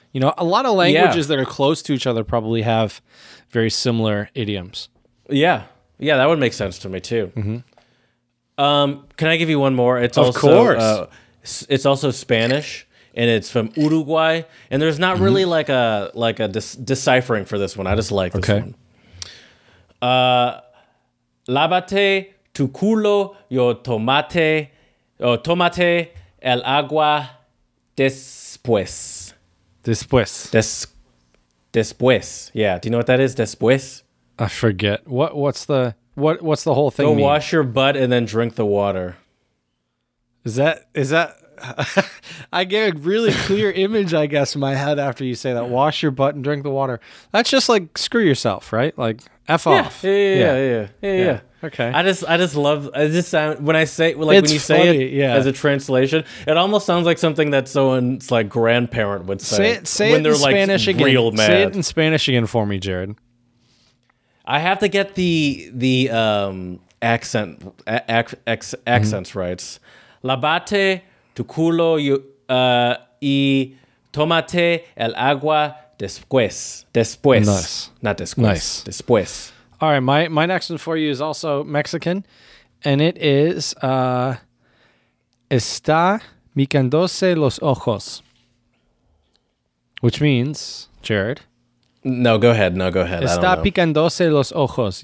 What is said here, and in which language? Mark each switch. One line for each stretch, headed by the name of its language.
English: You know, a lot of languages that are close to each other probably have very similar idioms. Yeah. Yeah, that would make sense to me, too. Mm-hmm. Can I give you one more? It's of course. It's also Spanish, and it's from Uruguay. And there's not really like a deciphering for this one. I just like this one.
Spanish: Lávate tu culo yo tomate el agua después. Después.
English: Yeah. Do you know what that is?
Spanish: Después.
English: I forget. What's the whole thing? Go wash your butt and then drink the water. Is that? I get a really clear image, I guess, in my head after you say that. Wash your butt and drink the water. That's just like screw yourself, right? Like F off. Yeah. Okay. I just love when you say it as a translation, it almost sounds like something that someone's like grandparent would say. Say it in Spanish again for me, Jared. I have to get the accents right.
Spanish: Lávate tu culo y tomate el agua después. Después.
English: Nice. Not
Spanish: después.
English: Nice.
Spanish: Después.
English: All right, my next one for you is also Mexican, and it is
Spanish: está micándose los ojos,
English: which means, Jared. No, go ahead.
Spanish: Está picándose los ojos.